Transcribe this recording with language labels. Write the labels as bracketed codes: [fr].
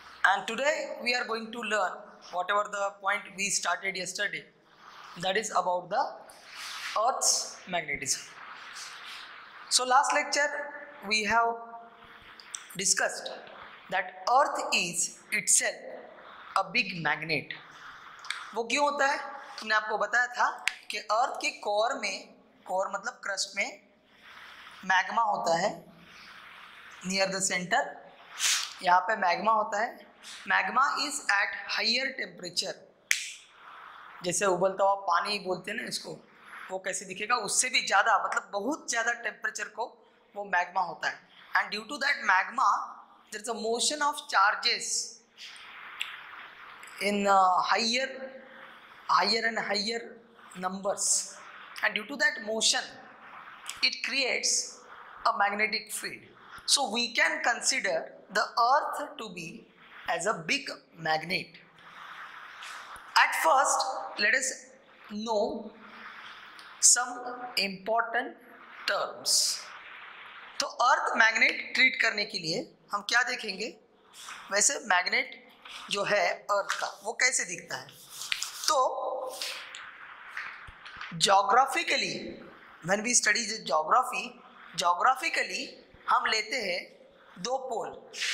[en] And today we are going to learn whatever the point we started yesterday, that is about the Earth's magnetism. So last lecture we have discussed that Earth is itself a big magnet. [hi] वो क्यों होता है? तुमने आपको बताया था कि Earth के core में कोर मतलब क्रस्ट में मैग्मा होता है [en] Near the centre. [hi] यहाँ पे मैग्मा होता है. Magma [en] Is at higher temperature. [hi] जैसे उबलता हुआ पानी बोलते हैं ना इसको, वो कैसे दिखेगा? उससे भी ज़्यादा मतलब बहुत ज़्यादा टेम्परेचर को वो मैग्मा होता है. [en] And due to that magma there is a motion of charges in higher and higher numbers. And due to that motion, it creates a magnetic field. So we can consider the Earth to be as a big magnet. At first, let us know some important terms. [hi] तो Earth magnet treat करने के लिए हम क्या देखेंगे? वैसे magnet जो है Earth का वो कैसे दिखता है? [en] तो geographically when we study the geography, geographically [hi] हम लेते हैं दो पोल.